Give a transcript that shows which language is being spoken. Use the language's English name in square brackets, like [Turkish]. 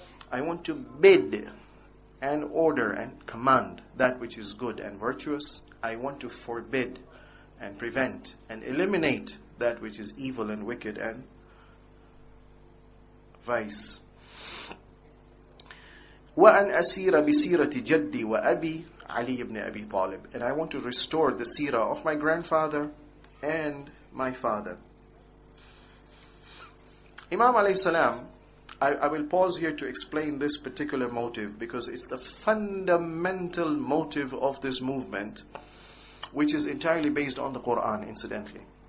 [English] I want to bid and order and command that which is good and virtuous. I want to forbid and prevent and eliminate that which is evil and wicked and vice. [Arabic] وَأَنْ أَسِيرَ بِسِيرَةِ جَدِّي وَأَبِي Ali ibn Abi Talib. [English] And I want to restore the seerah of my grandfather and my father. Imam alayhi salam, I will pause here to explain this particular motive, because it's the fundamental motive of this movement, which is entirely based on the Quran, incidentally.